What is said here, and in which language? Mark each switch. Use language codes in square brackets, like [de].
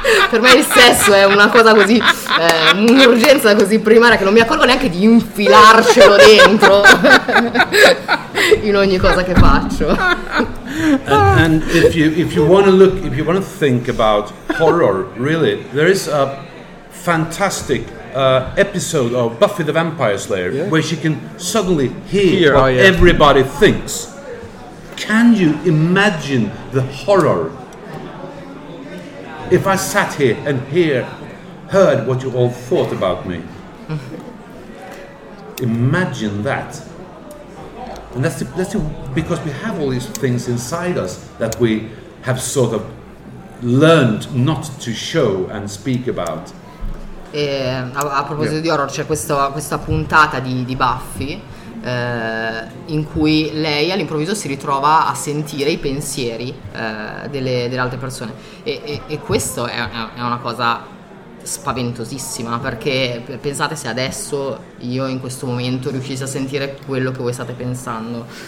[it] Per me il sesso è una cosa così, un'urgenza così primaria che non mi accorgo neanche di infilarcelo dentro in ogni cosa che faccio. [en] And if you want to look, if you want to think about horror, really, there is a fantastic episode of Buffy the Vampire Slayer, yeah, where she can suddenly hear what everybody thinks. Can you imagine the horror if I sat here and heard what you all thought about me? Imagine that. And that's because we have all these things inside us that we have sort of learned not to show and speak about. [it] E a proposito, yeah, di horror, c'è questa puntata di Buffy in cui lei all'improvviso si ritrova a sentire i pensieri delle altre persone, e questo è una cosa spaventosissima, perché pensate se adesso io in questo momento riuscissi a sentire quello che voi state pensando,